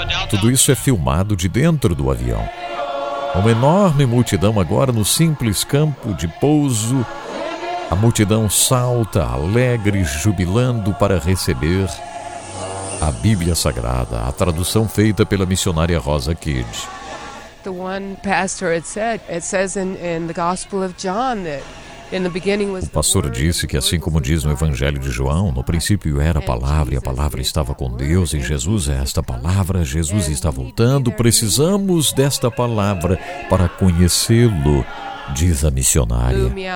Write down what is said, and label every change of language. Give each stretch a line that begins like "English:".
Portuguese: Tudo isso é filmado de dentro do avião. Uma enorme multidão agora no simples campo de pouso. A multidão salta, alegre, jubilando para receber a Bíblia Sagrada, a tradução feita pela missionária Rosa Kidd.
English: The one pastor had said, it says in the Gospel of John that
Portuguese: o pastor disse que, assim como diz no Evangelho de João, no princípio era a palavra estava com Deus, e Jesus é esta palavra, Jesus está voltando, precisamos desta palavra para conhecê-lo, diz a missionária.